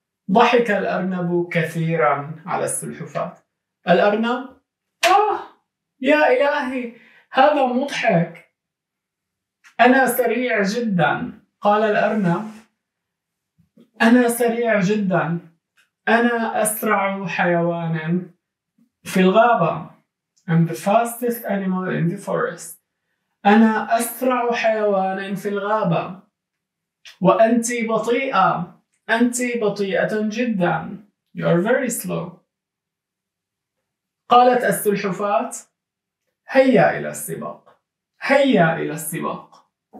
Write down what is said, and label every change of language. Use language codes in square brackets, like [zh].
[ar] ضحك الأرنب كثيرا على السلحفاة. الأرنب: آه يا إلهي، هذا مضحك، أنا سريع جدا. قال الأرنب أنا سريع جدا، أنا أسرع حيوان في الغابة. [en] I'm the fastest animal in the forest. [ar] أنا أسرع حيوان في الغابة وأنت بطيئة. أنت بطيئة جدا. [en] You are very slow. [ar] قالت السلحفاة هيا إلى السباق، هيا إلى السباق.